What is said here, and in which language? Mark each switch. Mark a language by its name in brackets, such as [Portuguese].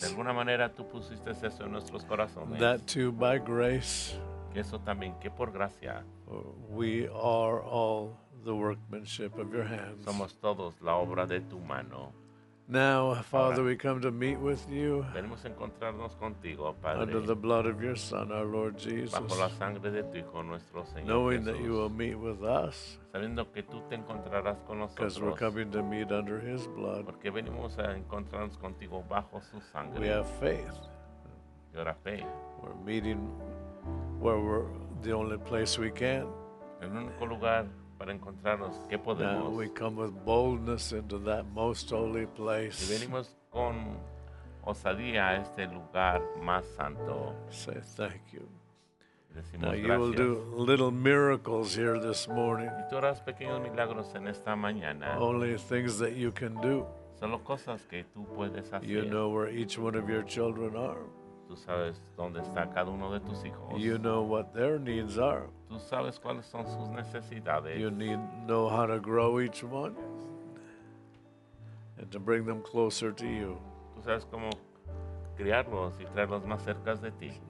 [Spanish] De alguna manera tú pusiste eso en nuestros corazones. [English] That too by grace. [Spanish] Eso también, que por gracia. [English] We are all the workmanship of your hands. [Spanish] Somos todos la obra de tu mano. [English] Now, Father, we come to meet with you. [Spanish] Venimos a encontrarnos contigo, Padre. [English] Under the blood of your Son, our Lord Jesus. [Spanish] Bajo la sangre de tu Hijo, nuestro Señor. [English] Knowing [Spanish] Jesús. [English] That you will meet with us. [Spanish] Sabiendo que tú te encontrarás con nosotros. [English] Because we're coming to meet under his blood. [Spanish] Porque venimos a encontrarnos contigo bajo su sangre. [English] We have faith. [Spanish] Y ahora fe. [English] We're meeting where we're the only place we can. [Spanish] En un único lugar para encontrarnos, ¿qué podemos? [English] Now we come with boldness into that most holy place. [Spanish] Y venimos con osadía a este lugar más santo. [English] Say thank you. [Spanish] Decimos [English] now [Spanish] gracias. [English] You will do little miracles here this morning. [Spanish] Y tú harás pequeños milagros en esta mañana. [English] Only things that you can do. [Spanish] Solo cosas que tú puedes hacer. [English] You know where each one of your children are. [Spanish] Tú sabes dónde está cada uno de tus hijos. [English] You know what their needs are. [Spanish] Tú sabes cuáles son sus necesidades. [English] You need know how to grow each one and to bring them closer to you. [Spanish] Tú sabes cómo criarlos y traerlos más cerca de ti.